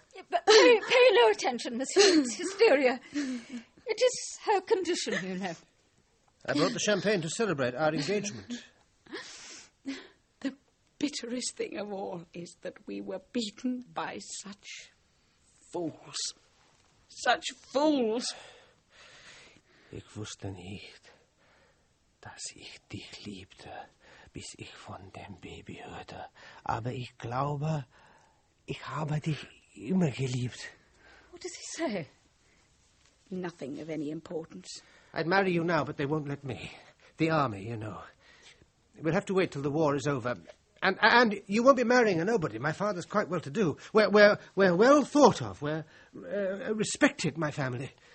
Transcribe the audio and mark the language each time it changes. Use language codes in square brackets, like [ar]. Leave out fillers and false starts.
[en] But pay no attention, monsieur. It's hysteria. It is her condition, you know. I brought the champagne to celebrate our engagement. The bitterest thing of all is that we were beaten by such fools. Such fools. [de] Ich wusste nicht, dass ich dich liebte, bis ich von dem Baby hörte. Aber ich glaube, ich habe dich immer geliebt. [en] What does he say? Nothing of any importance. I'd marry you now, but they won't let me. The army, you know. We'll have to wait till the war is over. And you won't be marrying a nobody. My father's quite well-to-do. We're well thought of. We're respected, my family.